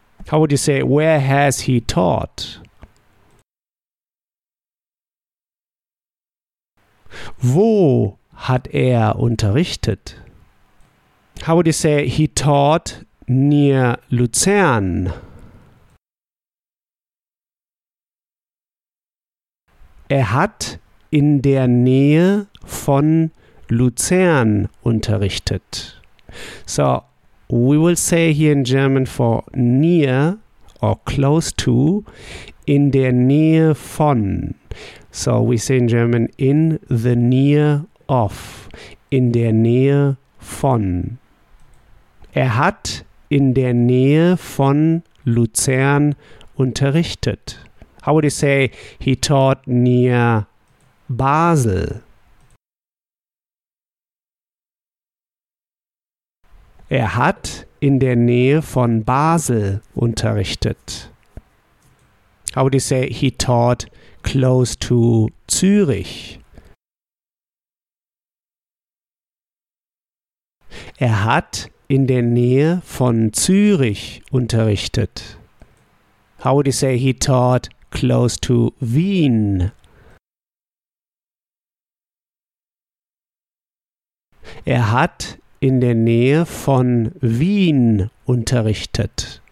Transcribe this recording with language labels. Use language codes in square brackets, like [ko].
[en] How would you say, where has he taught? [de] Wo hat er unterrichtet? [en] How would you say, he taught near Luzern? [de] Er hat in der Nähe von Luzern unterrichtet. [en] So, we will say here in German for near or close to, [de] in der Nähe von. [en] So, we say in German in the near of, [de] in der Nähe von. Er hat in der Nähe von Luzern unterrichtet. [en] How would you say he taught near Basel? [de] Er hat in der Nähe von Basel unterrichtet. [en] How would you say he taught close to Zürich? [de] Er hat in der Nähe von Zürich unterrichtet. [en] How would you say he taught close to Wien? [de] Er hat in der Nähe von Wien unterrichtet.